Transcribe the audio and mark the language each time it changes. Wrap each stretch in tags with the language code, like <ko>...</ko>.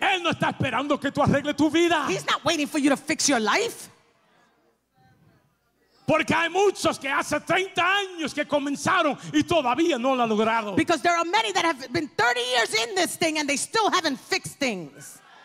<es>Él no está esperando que tú arregles tu vida.</es> <en>He's not waiting for you to fix your life.</en> <es>Porque hay muchos que hace 30 años que comenzaron y todavía no lo han logrado.</es> <en>Because there are many that have been 30 years in this thing and they still haven't fixed things.</en>